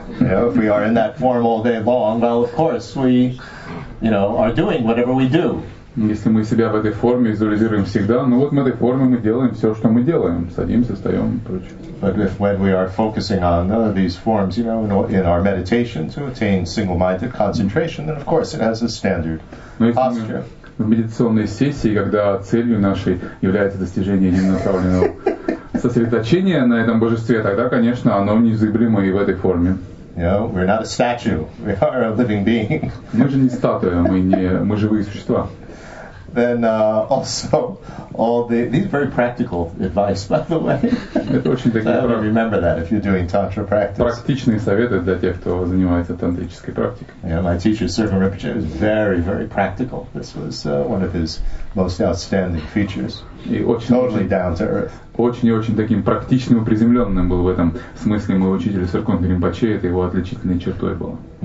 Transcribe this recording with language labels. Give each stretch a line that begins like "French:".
English: If we are in that form all day long, well, of course, we, you know, are doing whatever we do.
Russian: Если мы себя в этой форме визуализируем всегда, ну вот в этой форме мы делаем все, что мы делаем. Садимся, встаем и прочее.
English: But if when we are focusing on these forms, you know, in our meditation to attain single-minded concentration, then of course it has a standard posture.
Russian: В медитационной сессии, когда целью нашей является достижение единонаправленного сосредоточения на этом божестве, тогда, конечно, оно незыблемо и в этой форме.
English: You know, we're not a statue. We are a living being.
Russian: Мы же не статуя, мы живые существа.
English: Then also all the these very practical advice, by the way.
Russian: Это очень такие.
English: So remember that if you're doing tantra practice.
Russian: Практичные советы для тех, кто занимается тантрической практикой.
English: Yeah, my teacher Sirpa Rinpoche was very, very practical. This was one of his most outstanding features.
Russian: И очень,
English: totally down to earth.
Russian: Очень и очень таким практичным и приземленным был в этом смысле мой учитель Сиркон Гримбаче. Это его отличительной чертой было.